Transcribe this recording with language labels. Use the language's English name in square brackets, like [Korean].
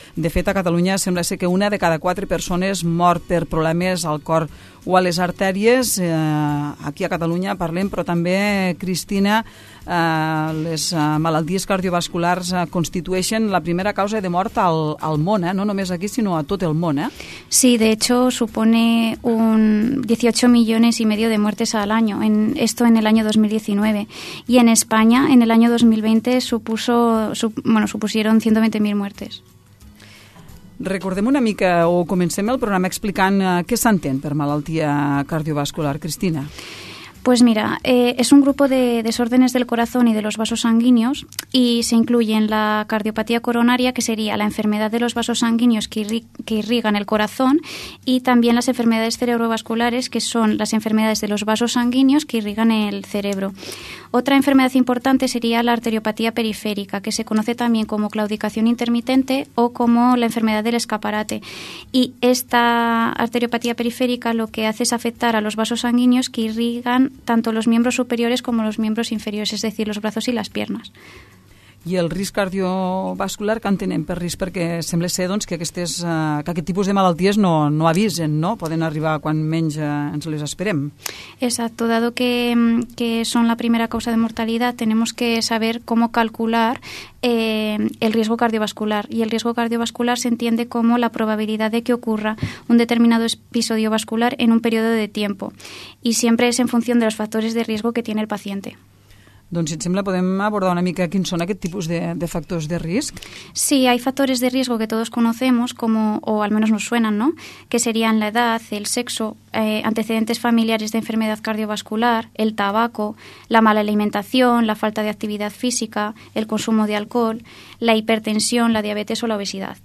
[Catalan] De fet, a Catalunya sembla ser que una de cada quatre persones mor per problemes al cor o a les artèries. Aquí a Catalunya parlem, però també, Cristina, les malalties cardiovasculars constitueixen la primera causa de mort al món, no només aquí, sinó a tot el món. [Spanish] Sí, de hecho, supone un 18 millones y medio de muertes al año, esto en el año 2019. Y en España, en el año 2020, supusieron 120.000 muertes. [Catalan] Recordem una mica o comencem el programa explicant què s'entén per malaltia cardiovascular, Cristina. [Spanish] Pues mira, es un grupo de desórdenes del corazón y de los vasos sanguíneos y se incluye en la cardiopatía coronaria, que sería la enfermedad de los vasos sanguíneos que irrigan el corazón, y también las enfermedades cerebrovasculares, que son las enfermedades de los vasos sanguíneos que irrigan el cerebro. Otra enfermedad importante sería la arteriopatía periférica, que se conoce también como claudicación intermitente o como la enfermedad del escaparate. Y esta arteriopatía periférica lo que hace es afectar a los vasos sanguíneos que irrigan tanto los miembros superiores como los miembros inferiores, es decir, los brazos y las piernas. [Catalan] I el risc cardiovascular, que entenem per risc? Perquè sembla ser doncs, que aquest tipus de malalties no avisen, no? Poden arribar quan menys ens les esperem. [Spanish] Exacto, dado que son la primera causa de mortalidad, tenemos que saber cómo calcular el riesgo cardiovascular. Y el riesgo cardiovascular se entiende como la probabilidad de que ocurra un determinado episodio vascular en un periodo de tiempo. Y siempre es en función de los factores de riesgo que tiene el paciente. [Catalan] Doncs, si et sembla, podem abordar una mica quins són aquest tipus de factors de risc. [Spanish] Sí, hay factores de riesgo que todos conocemos, como, o al menos nos suenan, ¿no? Que serían la edad, el sexo, antecedentes familiares de enfermedad cardiovascular, el tabaco, la mala alimentación, la falta de actividad física, el consumo de alcohol, la hipertensión, la diabetes o la obesidad.